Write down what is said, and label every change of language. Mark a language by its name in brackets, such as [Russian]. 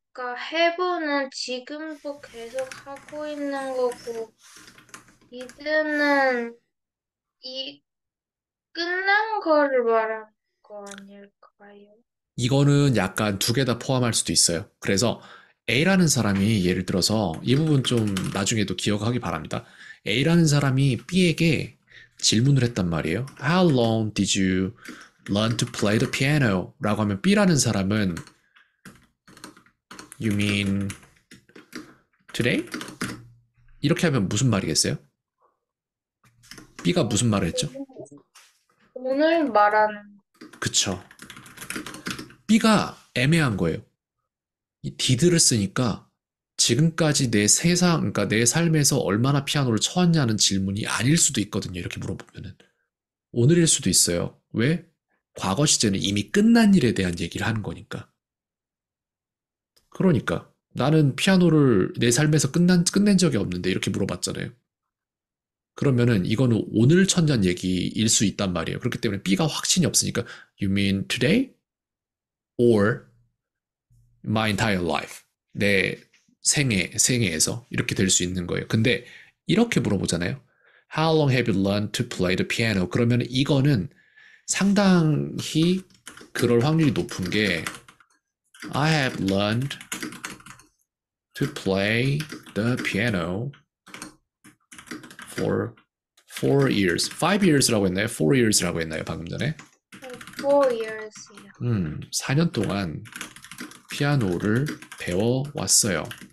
[Korean] 그러니까 해부는 지금도 계속 하고 있는 거고 이드는 이 끝난 거를 말한 거 아닐까요? 이거는 약간 두개다 포함할 수도 있어요. 그래서 A라는 사람이 예를 들어서 이 부분 좀 나중에도 기억하기 바랍니다. A라는 사람이 B에게 질문을 했단 말이에요. [English] How long did you learn to play the piano? [Korean] 라고 하면 B라는 사람은 You mean today? 이렇게 하면 무슨 말이겠어요? B가 무슨 말을 했죠? 오늘 말하는 그쵸. B가 애매한 거예요. 이 did를 쓰니까 지금까지 내 세상, 그러니까 내 삶에서 얼마나 피아노를 쳐왔냐는 질문이 아닐 수도 있거든요. 이렇게 물어보면은. 오늘일 수도 있어요. 왜? 과거 시제는 이미 끝난 일에 대한 얘기를 하는 거니까. 그러니까 나는 피아노를 내 삶에서 끝낸 적이 없는데 이렇게 물어봤잖아요. 그러면은 이거는 오늘 천년 얘기일 수 있단 말이에요. 그렇기 때문에 B가 확신이 없으니까 You mean today? [English] Or my entire life? [Korean] 내 생애에서 이렇게 될 수 있는 거예요. 근데 이렇게 물어보잖아요. [English] How long have you learned to play the piano? 그러면 이거는 상당히 그럴 확률이 높은 게 I have learned to play the piano for 4 years. [Korean] 5 years라고 했나요? 4 years라고 했나요? 방금 전에? 4 years요. 4년 동안 피아노를 배워왔어요.